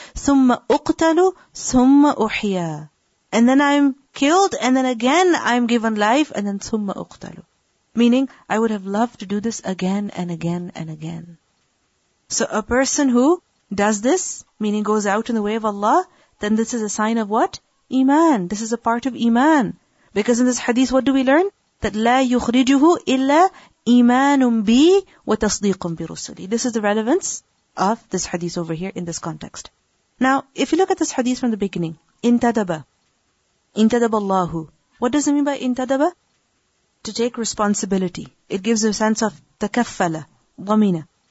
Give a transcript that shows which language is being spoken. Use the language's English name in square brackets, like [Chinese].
[Arabic] ثُمَّ أُقْتَلُ ثُمَّ أُحْيَى, [English] and then I am killed, and then again I am given life, and then [Arabic] ثُمَّ أُقْتَلُ. [English] Meaning, I would have loved to do this again and again and again. So a person who does this, meaning goes out in the way of Allah, then this is a sign of what? Iman. This is a part of Iman. Because in this hadith, what do we learn? [Arabic] That لا يخرجه إلا إيمان بي وتصديق برسلي. [English] This is the relevance of this hadith over here in this context. Now, if you look at this hadith from the beginning, انتدب. [Arabic] انتدب الله. [English] What does it mean by انتدب? To take responsibility. It gives a sense of تكفل, ضمينة.